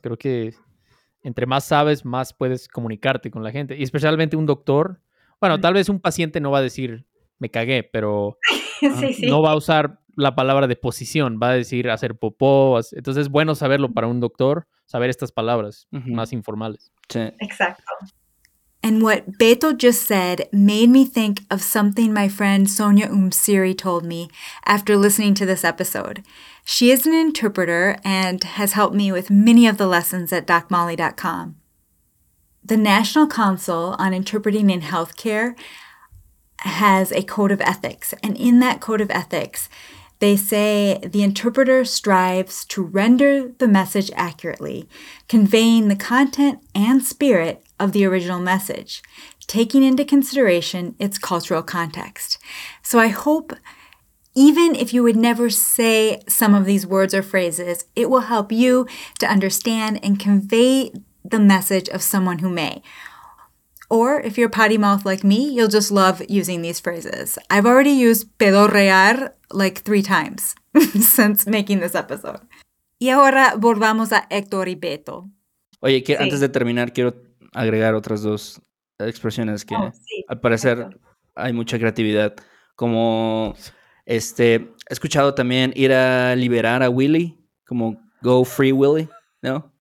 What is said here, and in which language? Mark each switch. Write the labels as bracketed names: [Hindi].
[Spanish] Creo que entre más sabes, más puedes comunicarte con la gente. Y especialmente un doctor. Bueno, tal vez un paciente no va a decir, me cagué, pero sí, sí. no va a usar la palabra de posición. Va a decir hacer popó. Entonces, es bueno saberlo para un doctor, saber estas palabras uh-huh. más informales. Sí. Exacto. [English] And what Beto just said made me think of something my friend Sonia Umsiri told me after listening to this episode. She is an interpreter and has helped me with many of the lessons at DocMolly.com. The National Council on Interpreting in Healthcare has a code of ethics. And in that code of ethics, they say the interpreter strives to render the message accurately, conveying the content and spirit of the original message, taking into consideration its cultural context. So I hope, even if you would never say some of these words or phrases, it will help you to understand and convey the message of someone who may. Or if you're potty mouth like me, you'll just love using these phrases. I've already used pedorrear like 3 times since making this episode. [Spanish] Y ahora volvamos a Héctor y Beto. Oye, que sí. antes de terminar, quiero agregar otras dos expresiones que sí, al parecer perfecto. Hay mucha creatividad. Como he escuchado también ir a liberar a Willy, como [English] go free Willy, [Spanish] ¿no?